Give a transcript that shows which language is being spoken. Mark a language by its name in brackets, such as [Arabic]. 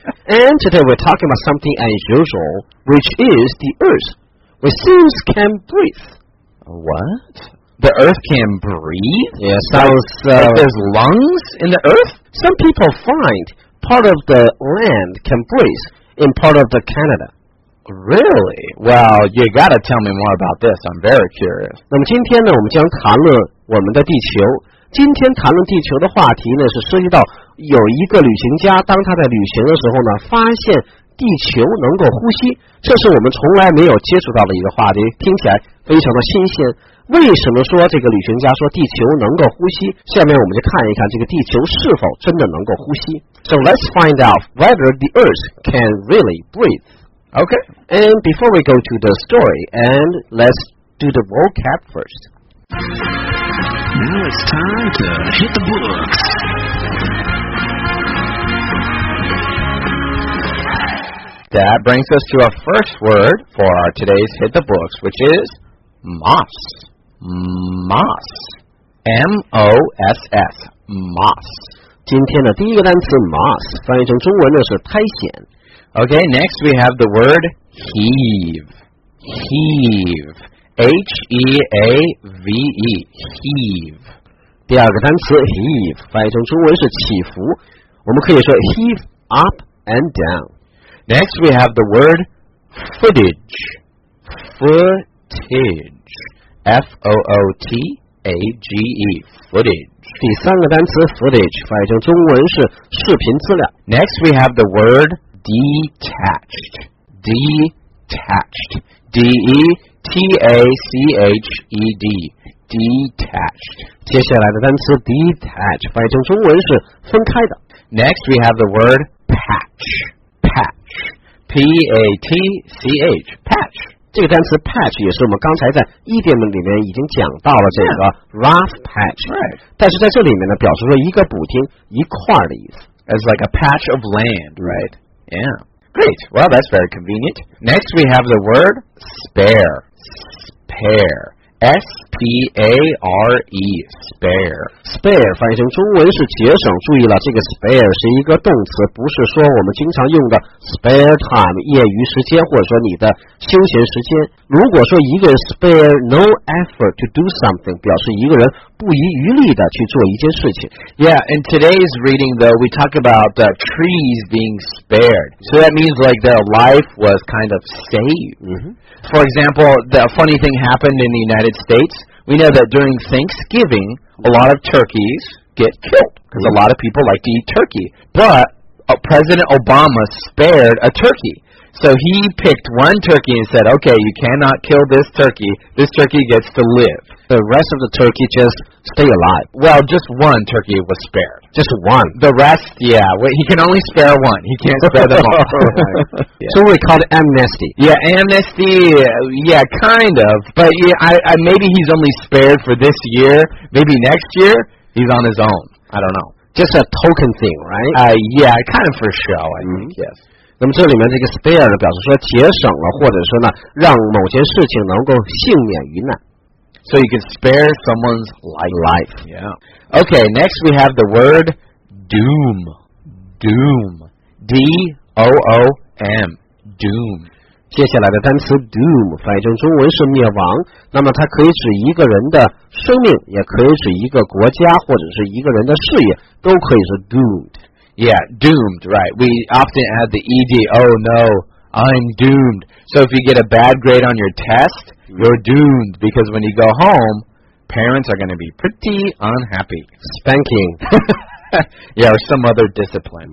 [English] And today we're talking about something unusual, which is the Earth, which seems can breathe. What? The Earth can breathe? Yeah, there's lungs in the Earth? Some people find part of the land can breathe in part of the Canada. Really? Well, you gotta tell me more about this. I'm very curious. [Chinese] 那么今天呢，我们将谈论我们的地球。今天谈论地球的话题呢，是涉及到有一个旅行家，当他在旅行的时候呢，发现地球能够呼吸，这是我们从来没有接触到的一个话题，听起来非常的新鲜。为什么说这个旅行家说地球能够呼吸？下面我们就看一看这个地球是否真的能够呼吸。 [English] So let's find out whether the Earth can really breathe. Okay. And before we go to the story, and let's do the vocab first. Now it's time to hit the books. That brings us to our first word for our today's hit the books, which is moss. Moss. M-O-S-S. Moss. [Chinese] 今天的第一个单词 moss 翻译成中文的是苔藓。 [English] Okay, next we have the word heave. Heave. H-E-A-V-E, heave. [Chinese] 第二个单词 heave, 翻译成中文是起伏。我们可以说 [English] heave up and down. Next we have the word footage. Footage. F-O-O-T-A-G-E, footage. [Chinese] 第三个单词 footage, 翻译成中文是视频资料。 [English] Next we have the word detached. Detached. D-E-T-A-C-H-E-D. T-A-C-H-E-D, detached. [Chinese] 接下来的单词 detached, 翻译成中文是分开的。 [English] Next we have the word patch, patch, P-A-T-C-H, patch. [Chinese] 这个单词 patch 也是我们刚才在一点里面已经讲到了这个 [English] rough patch,、 right. [Chinese] 但是在这里面呢表示说一个补丁一块的意思。 [English] It's like a patch of land, right? Yeah. Great, well that's very convenient. Next we have the word spare. Spare, S-P-A-R-E, spare. [Chinese] Spare 翻译成中文是节省。注意了，这个 spare 是一个动词，不是说我们经常用的 [English] spare time [Chinese] 业余时间，或者说你的休闲时间。如果说一个人 [English] spare no effort to do something， [Chinese] 表示一个人不遗余力的去做一件事情。 [English] Yeah, in today's reading though, we talk about the trees being spared. So that means like their life was kind of saved. Mm-hmm. For example, the funny thing happened in the United States. We know that during Thanksgiving, a lot of turkeys get killed because a lot of people like to eat turkey. But President Obama spared a turkey. So he picked one turkey and said, okay, you cannot kill this turkey. This turkey gets to live. The rest of the turkey just stay alive. Well, just one turkey was spared. Just one. The rest, yeah. He can only spare one. He can't spare them all. Right. Yeah. So we call it amnesty. Yeah, amnesty. Yeah, kind of. But yeah, I maybe he's only spared for this year. Maybe next year, he's on his own. I don't know. Just a token thing, right? Yeah, kind of for show, I think, yes. [Chinese] 那么这里面这个 spare 呢，表示说节省了，或者说呢，让某件事情能够幸免于难。 [English] So you can spare someone's life. Yeah. Okay, next we have the word doom. Doom. D-O-O-M. Doom. [Chinese] 接下来的单词 doom 翻译成中文是灭亡，那么它可以指一个人的生命，也可以指一个国家，或者是一个人的事业，都可以是 doomed。 [English] Yeah, doomed, right. We often add the ED, oh no, I'm doomed. So if you get a bad grade on your test, you're doomed, because when you go home, parents are going to be pretty unhappy. Spanking. Yeah, or some other discipline.